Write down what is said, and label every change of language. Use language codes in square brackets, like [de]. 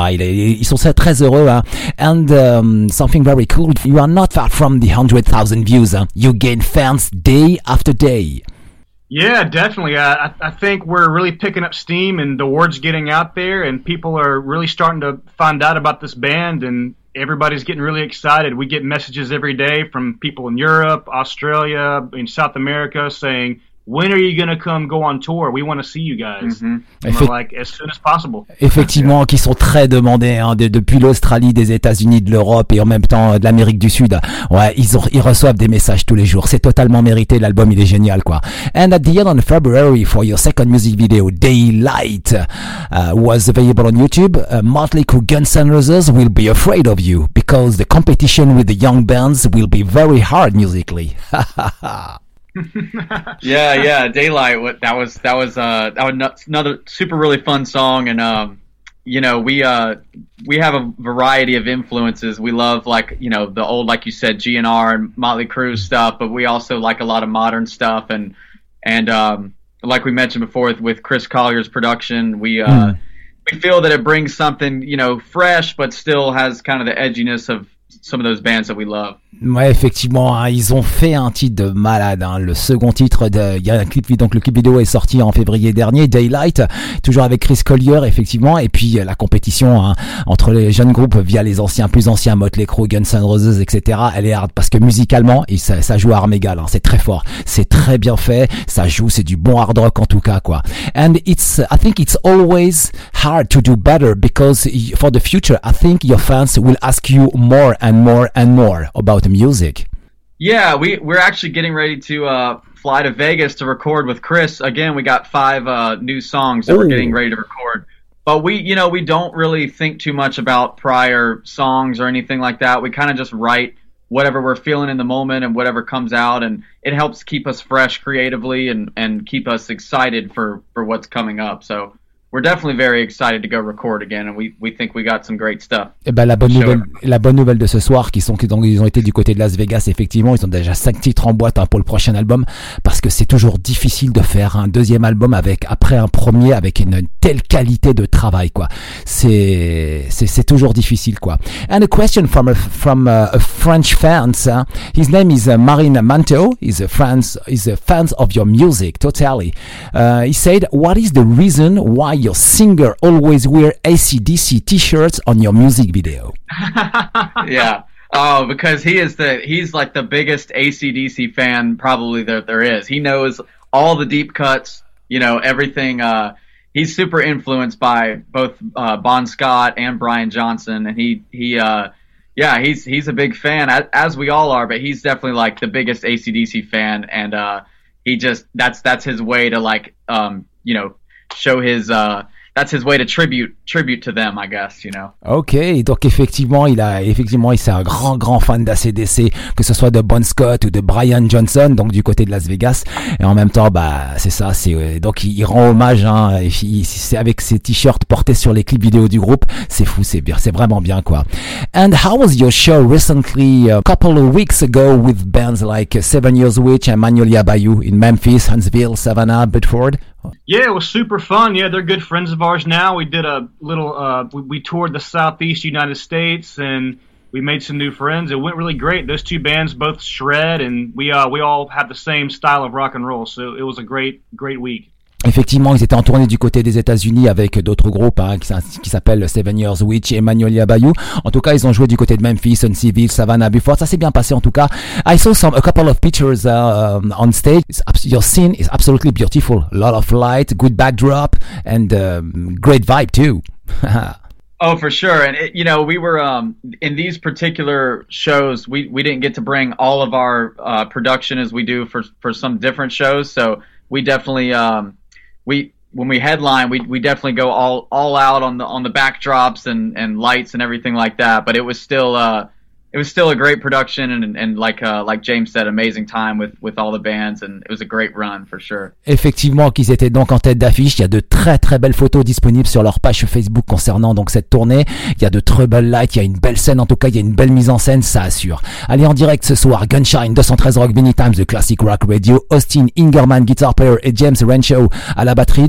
[fr] Ils sont très heureux, hein. [en] And something very cool, you are not far from the 100,000 views. Hein. You gain fans day after day. Yeah, definitely. I think we're really picking up steam and the word's getting out there and people are really starting to find out about this band and everybody's getting really excited. We get messages every day from people in Europe, Australia, in South America saying, when are you going to come go on tour? We want to see you guys. Mm-hmm. And we're like, as soon as possible. [fr] Effectivement, yeah. Qui sont très demandés, hein, depuis l'Australie, des États-Unis, de l'Europe et en même temps de l'Amérique du Sud. Ouais, ils reçoivent des messages tous les jours. C'est totalement mérité. L'album, il est génial, quoi. [en] And at the end of February, for your second music video, Daylight was available on YouTube. Motley Crue, Guns N' Roses will be afraid of you because the competition with the young bands will be very hard musically. yeah, Daylight. That was another super really fun song, and you know, we have a variety of influences. We love, like, you know, the old, like you said, GNR and Motley Crue stuff, but we also like a lot of modern stuff, and like we mentioned before with Chris Collier's production, we feel that it brings something, you know, fresh, but still has kind of the edginess of some of those bands that we love. [fr] Ouais, effectivement, hein, ils ont fait un titre de malade, hein, le second titre de, il y a un clip, donc le clip vidéo est sorti en février dernier, Daylight, toujours avec Chris Collier, effectivement, et puis la compétition, hein, entre les jeunes groupes via les anciens, plus anciens, Motley Crue, Guns N' Roses, etc., elle est hard, parce que musicalement, et ça joue à armes égales, hein, c'est très fort, c'est très bien fait, ça joue, c'est du bon hard rock en tout cas, quoi. [en] And it's, I think it's always hard to do better, because for the future, I think your fans will ask you more and more and more about the music. Yeah, we're actually getting ready to fly to Vegas to record with Chris. Again, we got five new songs that Ooh. We're getting ready to record. But we don't really think too much about prior songs or anything like that. We kind of just write whatever we're feeling in the moment and whatever comes out, and it helps keep us fresh creatively and keep us excited for what's coming up. So we're definitely very excited to go record again, and we think we got some great stuff. [fr] Et ben la bonne nouvelle de ce soir, ils ont été du côté de Las Vegas, effectivement, ils ont déjà 5 titres en boîte, hein, pour le prochain album, parce que c'est toujours difficile de faire un deuxième album après un premier avec une telle qualité de travail, quoi. C'est toujours difficile, quoi. [en] And a question from a French fans. Huh? His name is Marine Manteau. He's a fan of your music totally. He said, "What is the reason why your singer always wear AC/DC t-shirts on your music video?" Yeah. Oh, because he's like the biggest AC/DC fan probably there is. He knows all the deep cuts, you know, everything. He's super influenced by both Bon Scott and Brian Johnson, and he's a big fan, as we all are, but he's definitely like the biggest AC/DC fan, and that's his way to show his that's his way to tribute to them, I guess, you know. [fr] Okay, donc effectivement, il est un grand grand fan d'AC/DC, que ce soit de Bon Scott ou de Brian Johnson, donc du côté de Las Vegas, et en même temps, bah c'est ça, c'est donc il rend hommage, hein, c'est avec ses t-shirts portés sur les clips vidéo du groupe, c'est fou, c'est bien, c'est vraiment bien, quoi. [en] And how was your show recently, a couple of weeks ago, with bands like Seven Years Witch and Magnolia Bayou in Memphis, Huntsville, Savannah, Bedford? Yeah, it was super fun. Yeah, they're good friends of ours now. We did a little, we toured the Southeast United States, and we made some new friends. It went really great. Those two bands both shred, and we all have the same style of rock and roll, so it was a great, great week. [fr] Effectivement, ils étaient en tournée du côté des États-Unis avec d'autres groupes, hein, qui s'appellent Seven Years Witch et Magnolia Bayou. En tout cas, ils ont joué du côté de Memphis, Huntsville, Savannah, Buford. Ça s'est bien passé, en tout cas. [en] I saw a couple of pictures on stage. Your scene is absolutely beautiful. A lot of light, good backdrop, and great vibe too. Oh, for sure. And it, you know, we were in these particular shows, we didn't get to bring all of our production as we do for some different shows. So we definitely when we headline, we definitely go all out on the backdrops and lights and everything like that. But it was still a great production, and like James said, amazing time with all the bands, and it was a great run for sure. [fr] Effectivement, qu'ils étaient donc en tête d'affiche. Il y a de très très belles photos disponibles sur leur page Facebook concernant donc cette tournée. Il y a de très belles lights, il y a une belle scène, en tout cas il y a une belle mise en scène, ça assure. Allez, en direct ce soir, Gunshine 213 Rock Mini Times de Classic Rock Radio, Austin Ingerman guitar player et James Rancho à la batterie.